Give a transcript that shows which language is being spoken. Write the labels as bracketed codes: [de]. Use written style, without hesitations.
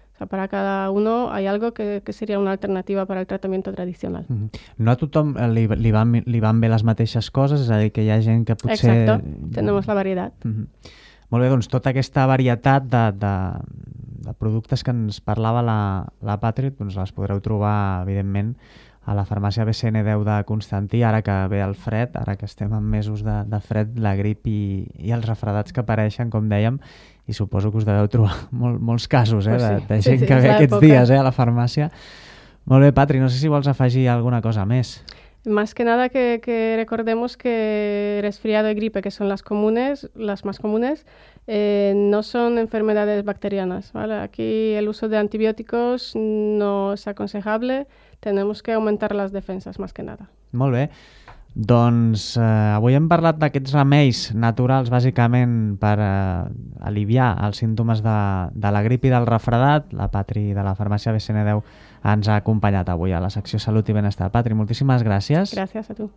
[es] O sea, para cada uno hay algo que sería una alternativa para el tratamiento tradicional. [ca] No a tothom li van bé les mateixes coses, és a dir, que hi ha gent que potser... [es] Exacto, tenemos la variedad. [ca] Molt bé, doncs tota aquesta varietat de productes que ens parlava la Patrick, doncs les podreu trobar, evidentment, a la farmàcia BCN10 de Constantí, ara que ve el fred, ara que estem en mesos de fred, la grip i els refredats que apareixen, com dèiem, i suposo que us deveu trobar molts casos, [es] pues sí, [ca] de gent que ve aquests dies a la farmàcia. Molt bé, Patrick, no sé si vols afegir alguna cosa més. [es] Más que nada que recordemos que resfriado y gripe, que son las más comunes, no son enfermedades bacterianas, ¿vale? Aquí el uso de antibióticos no es aconsejable, tenemos que aumentar las defensas más que nada. [ca] Molt bé. Doncs avui hem parlat d'aquests remeis naturals, bàsicament per aliviar els símptomes de la grip i del refredat. La Patri de la farmàcia BCN10 ens ha acompanyat avui a la secció Salut i Benestar. Patri, moltíssimes gràcies. Gràcies a tu.